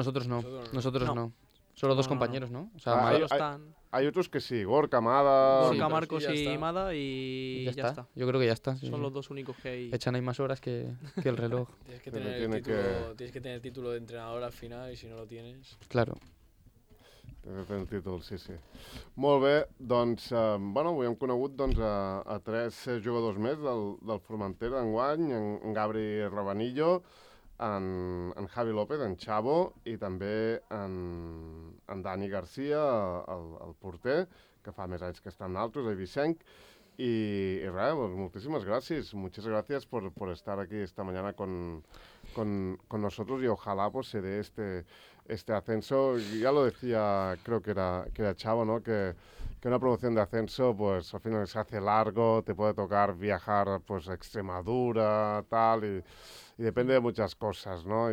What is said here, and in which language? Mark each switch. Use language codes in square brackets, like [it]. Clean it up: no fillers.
[es] No, nosotros no. Solo dos compañeros, ¿no? O sea, ellos están. Hay otros que sí, Gorka, Mada... Gorka, Marcos y Mada y ya está. Yo creo que ya está. Son los dos únicos que hay. Echan ahí más horas que el reloj. Tienes que tener el título de entrenador al final y si no lo tienes... Claro. [ca] El títol, sí. Molt bé, doncs, bueno, avui hem conegut a tres jugadors més del Formentera d'enguany, en Gabri Rabanillo, en Javi López, en Xavo, i també en Dani García, el porter, que fa més anys que està amb nosaltres, el Vicenc. I res, pues, moltíssimes gràcies. Moltes gràcies per estar aquí [es] esta mañana con nosotros y ojalá pues se dé este ascenso. Ya lo decía, creo que era Xavo, ¿no? Que una promoción de ascenso pues al final se hace largo, te puede tocar viajar pues a Extremadura, tal, y depende de muchas cosas, ¿no?